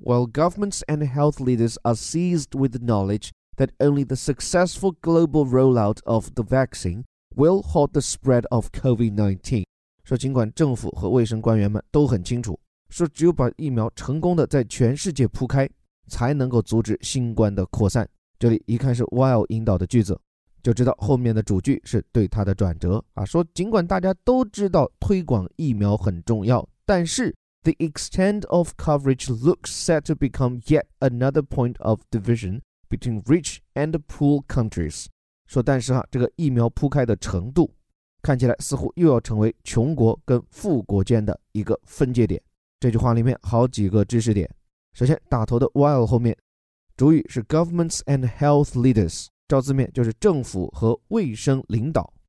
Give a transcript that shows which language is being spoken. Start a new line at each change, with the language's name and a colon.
English: While governments and health leaders are seized with the knowledge that only the successful global rollout of the vaccine will halt the spread of COVID-19，
Chinese: 说尽管政府和卫生官员们都很清楚，说只有把疫苗成功的在全世界铺开才能够阻止新冠的扩散。这里一看是 while 引导的句子，就知道后面的主句是对它的转折啊。说尽管大家都知道推广疫苗很重要，但是
English: The extent of coverage looks set to become yet another point of division between rich and poor countries。
Chinese: 说但是啊，这个疫苗铺开的程度看起来似乎又要成为穷国跟富国间的一个分界点。这句话里面好几个知识点。首先打头的 while 后面主语是
English: governments and health leaders，
Chinese: 照字面就是政府和卫生领导。